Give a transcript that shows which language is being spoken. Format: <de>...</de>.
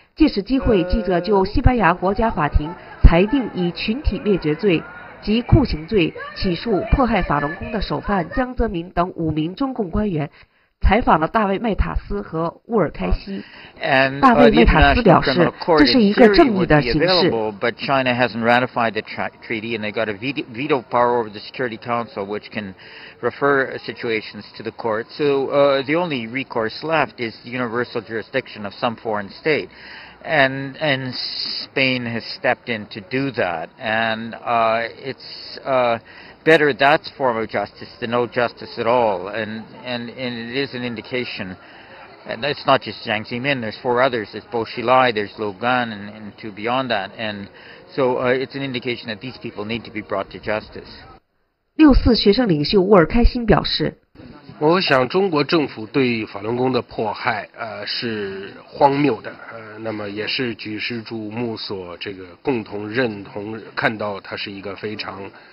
<zh>借此机会，记者就西班牙国家法庭裁定以群体灭绝罪及酷刑罪起诉迫害法轮功的首犯江泽民等5名中共官员，采访了大卫·麦塔斯和伍尔开西。大卫·麦塔斯表示，这是一个正义的形式。</zh> <en>But China hasn't ratified the treaty, and they got a veto power over the Security Council, which can refer situations to the court. So the only recourse left is universal jurisdiction of some foreign state, and Spain has stepped in to do that, and it's. Better that form of justice than no justice at all, and it is an indication, and it's not just Jiang Zemin, there's 4 others, there's Bo Xilai, there's Lo Gan, and two beyond that, and so it's an indication that these people need to be brought to justice.</en> <zh>六四学生领袖沃尔开心表示，我想中国政府对法轮功的迫害是荒谬的，那么也是举世瞩目所这个共同认同看到它是一个非常</zh>